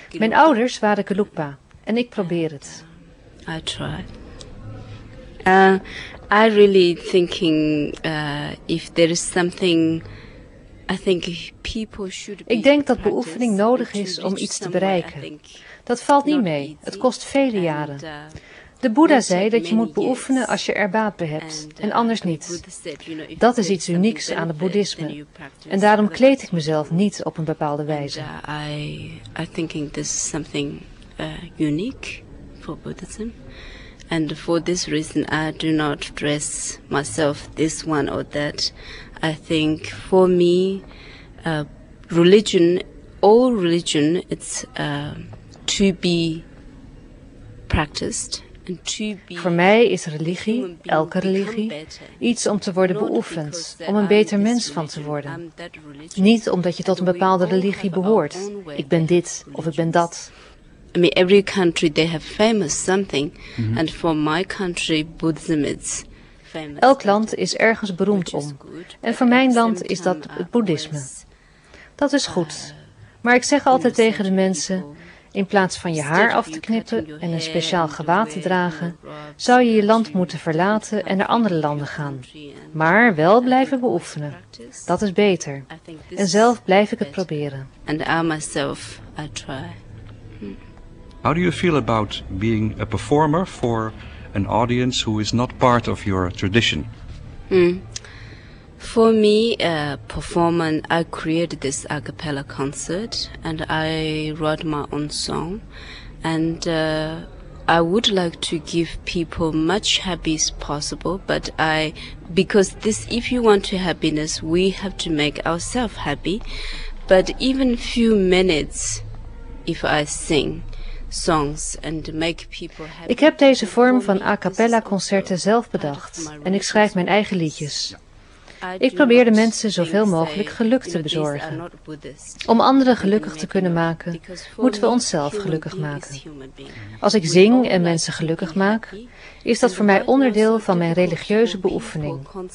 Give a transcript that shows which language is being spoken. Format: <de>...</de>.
<nl>mijn ouders waren Gelugpa en ik probeer het.</nl> <en>I try. I really thinking if there is something, I think people should.</en> <nl>Ik denk dat beoefening nodig is om iets te bereiken. Dat valt niet mee. Het kost vele jaren. De Boeddha zei dat je moet beoefenen als je er baat bij hebt en anders niet. Dat is iets unieks aan het boeddhisme. En daarom kleed ik mezelf niet op een bepaalde wijze.</nl> <en>I think this is something unique for Buddhism. And for this reason I do not dress myself this one or that. I think for me religion, all religion, it's to be practiced.</en> <nl>Voor mij is religie, elke religie, iets om te worden beoefend, om een beter mens van te worden. Niet omdat je tot een bepaalde religie behoort. Ik ben dit of ik ben dat.</nl> <en>I mean, every country they have famous something, and for my country, Buddhism is.</en> <nl>Elk land is ergens beroemd om, en voor mijn land is dat het boeddhisme. Dat is goed, maar ik zeg altijd tegen de mensen. In plaats van je haar af te knippen en een speciaal gewaad te dragen, zou je je land moeten verlaten en naar andere landen gaan. Maar wel blijven beoefenen. Dat is beter. En zelf blijf ik het proberen.</nl> <en>And I myself, I try. How do you feel about being a performer for an audience who is not part of your tradition? For me, performing, I created this a cappella concert and I wrote my own song. And I would like to give people much happiness possible, but I, because this, if you want to happiness, we have to make ourselves happy. But even few minutes, if I sing songs and make people happy.</en> <nl>Ik heb deze vorm van a cappella concerten zelf bedacht en ik schrijf mijn eigen liedjes. Ik probeer de mensen zoveel mogelijk geluk te bezorgen. Om anderen gelukkig te kunnen maken, moeten we onszelf gelukkig maken. Als ik zing en mensen gelukkig maak, is dat voor mij onderdeel van mijn religieuze beoefening.</nl>